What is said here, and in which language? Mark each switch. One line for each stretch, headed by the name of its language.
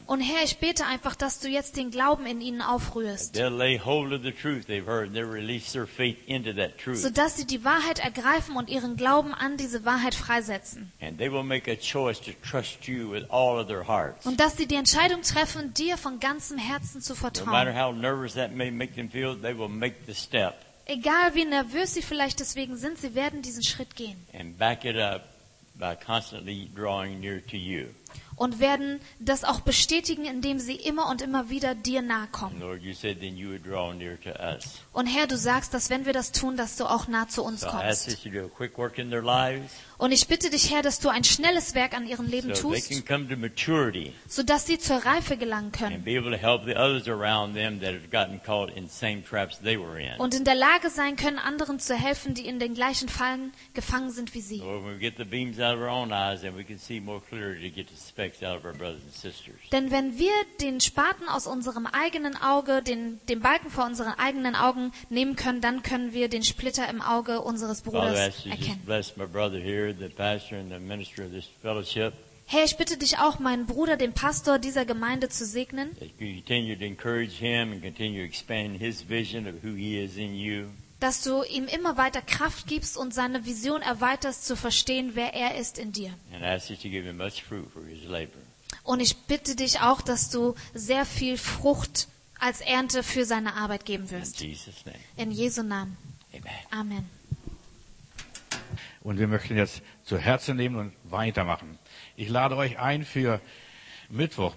German: Und Herr, ich bete einfach, dass du jetzt den Glauben in ihnen aufrührst. Sodass sie die Wahrheit ergreifen und ihren Glauben an diese Wahrheit freisetzen. Und dass sie die Entscheidung treffen, dir von ganzem Herzen zu vertrauen.
English: No matter how nervous that may make them feel, they will make the step.
German: Egal wie nervös sie vielleicht deswegen sind, sie werden diesen Schritt gehen.
English: And back it up by constantly drawing near to you.
German: Und werden das auch bestätigen, indem sie immer und immer wieder dir nahe kommen.
English: Lord, you said, then you would draw near to us.
German: Und Herr, du sagst, dass wenn wir das tun, dass du auch nah zu uns kommst.
English: So I ask you to do a quick work in their lives.
German: Und ich bitte dich, Herr, dass du ein schnelles Werk an ihrem Leben
English: so
German: tust,
English: they can come to maturity,
German: sodass sie zur Reife gelangen können.
English: And be able to help the others around them that have gotten caught in the same traps they were in.
German: Und in der Lage sein können, anderen zu helfen, die in den gleichen Fallen gefangen sind wie sie.
English: Lord, when we get the beams out of our own eyes, then we can see more clearly to get the specks out of our brothers and sisters.
German: Denn wenn wir den Spaten aus unserem eigenen Auge, den Balken vor unseren eigenen Augen nehmen können, dann können wir den Splitter im Auge unseres Bruders erkennen.
English: The pastor and the minister of this fellowship.
German: Herr, ich bitte dich auch, meinen Bruder, den Pastor dieser Gemeinde zu segnen.
English: Continue to encourage him and continue to expand his vision of who he is in you.
German: Dass du ihm immer weiter Kraft gibst und seine Vision erweiterst, zu verstehen, wer er ist in dir.
English: And ask you to give him much fruit for his labor.
German: Und ich bitte dich auch, dass du sehr viel Frucht als Ernte für seine Arbeit geben wirst.
English: In Jesus name.
German: In Jesu Namen.
English: Amen.
German: Amen. Und wir möchten jetzt zu Herzen nehmen und weitermachen. Ich lade euch ein für Mittwoch.